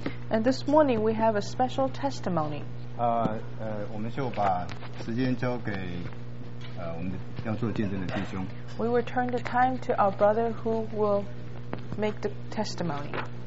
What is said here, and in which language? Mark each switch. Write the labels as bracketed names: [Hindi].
[English] And this morning we have a special testimony. [Chinese] 我们就把时间交给我们要做见证的弟兄。 [English] We will turn the time to our brother who will make the testimony.